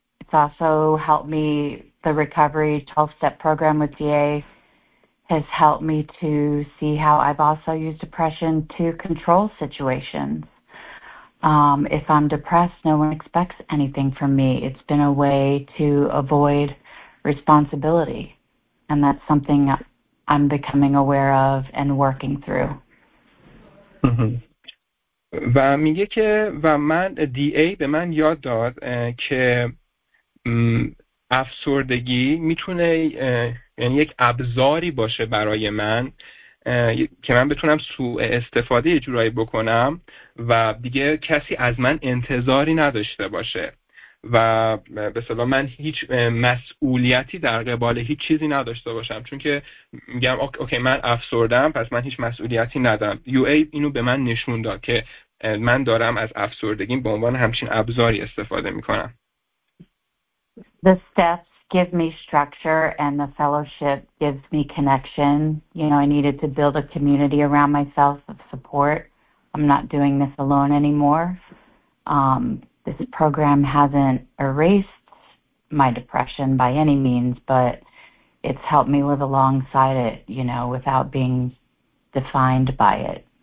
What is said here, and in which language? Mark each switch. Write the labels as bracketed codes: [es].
[en] It's also helped me, the recovery 12-step program with DA has helped me to see how I've also used depression to control situations. If I'm depressed, no one expects anything from me. It's been a way to avoid responsibility, and that's something I'm becoming aware of and working through. [fa] و میگه که و من دی ای به من یاد داد که افسردگی میتونه یعنی یک ابزاری باشه برای من که من بتونم سوء استفاده یه جورایی بکنم و دیگه کسی از من انتظاری نداشته باشه و به اصطلاح من هیچ مسئولیتی در قبال هیچ چیزی نداشته باشم، چون که میگم اوکی من افسردم، پس من هیچ مسئولیتی ندارم. یو ای اینو به من نشون داد که من دارم از افسردگیم به عنوان همچین ابزاری استفاده میکنم. [en] The steps give me structure and the fellowship gives me connection. You know, I needed to build a community around myself of support. I'm not doing this alone anymore. This program hasn't erased my depression by any means, but it's helped me live alongside it, you know, without being defined by it.